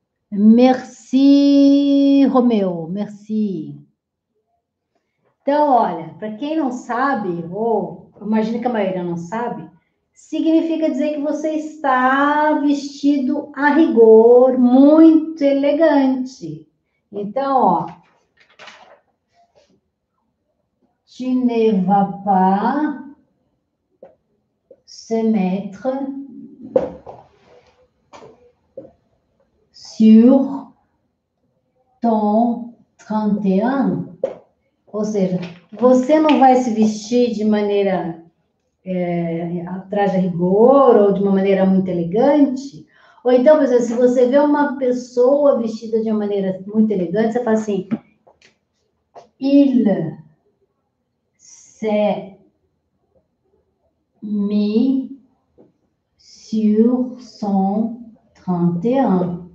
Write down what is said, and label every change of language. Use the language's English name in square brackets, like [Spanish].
[French] Merci, Romeu. Merci. [Portuguese] Então, olha, para quem não sabe, ou imagina que a maioria não sabe, significa dizer que você está vestido a rigor, muito elegante. Então, ó. [French] Tu ne vas pas se mettre sur ton 31. [Portuguese] Ou seja, você não vai se vestir de maneira traje a rigor ou de uma maneira muito elegante. Ou então, por exemplo, se você vê uma pessoa vestida de uma maneira muito elegante, você fala assim: [French] Il s'est mis sur son 31.